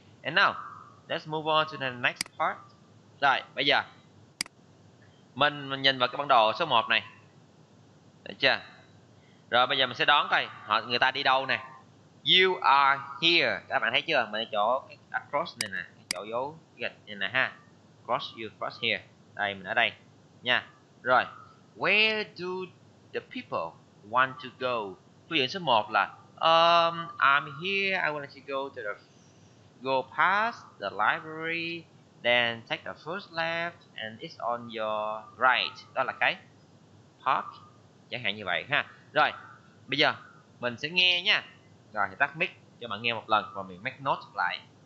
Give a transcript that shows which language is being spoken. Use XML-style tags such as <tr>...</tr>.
<en>And now, let's move on to the next part.</en> <vi>Rồi, bây giờ mình nhìn vào cái bản đồ số 1 này. Được chưa? Rồi bây giờ mình sẽ đoán coi họ người ta đi đâu nè.</vi> <en>You are here.</en> <vi>Các bạn thấy chưa? Mình ở chỗ across này nè, chỗ dấu gạch này nè ha.</vi> <en>Cross, you cross here.</en> <vi>Đây mình ở đây nha. Rồi.</vi> <en>Where do the people want to go?</en> <vi>Câu chuyện số 1 là</vi> <en>I'm here. I want to go past the library, then take the first left and it's on your right.</en> <vi>Đó là cái park chẳng hạn như vậy ha. Rồi, bây giờ mình sẽ nghe nha. Rồi thì tắt mic cho bạn nghe một lần và mình</vi> <en>make note</en> <vi>lại.</vi>